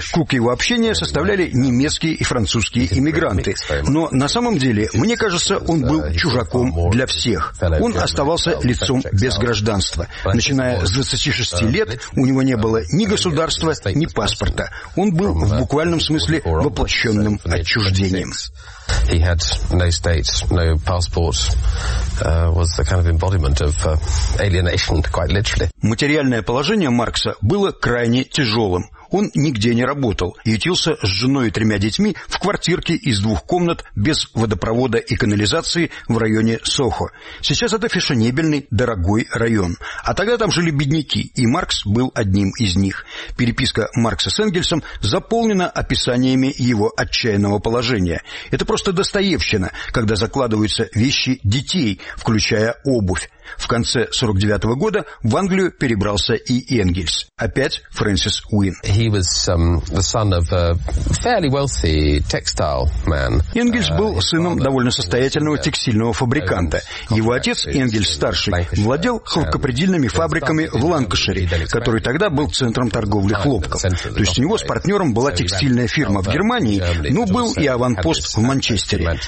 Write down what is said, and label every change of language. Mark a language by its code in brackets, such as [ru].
[ru] Круг его общения составляли немецкие и французские иммигранты. Но на самом деле, мне кажется, он был чужаком для всех. Он оставался лицом без гражданства. Начиная с 26 лет, у него не было ни государства, ни паспорта. Он был в буквальном смысле воплощенным отчуждением. [en] He had no state, no passport, was the kind of embodiment of alienation, quite literally. [ru] Материальное положение Маркса было крайне тяжелым. Он нигде не работал, ютился с женой и тремя детьми в квартирке из двух комнат без водопровода и канализации в районе Сохо. Сейчас это фешенебельный, дорогой район. А тогда там жили бедняки, и Маркс был одним из них. Переписка Маркса с Энгельсом заполнена описаниями его отчаянного положения. Это просто достоевщина, когда закладываются вещи детей, включая обувь. В конце 49-го года в Англию перебрался и Энгельс. Опять Фрэнсис Уин. [en] He was the son of a fairly wealthy textile man. [ru] Энгельс был сыном довольно состоятельного текстильного фабриканта. Его отец, Энгельс-старший, владел хлопкопредельными фабриками в Ланкашире, который тогда был центром торговли хлопком. То есть у него с партнером была текстильная фирма в Германии, но был и аванпост в Манчестере.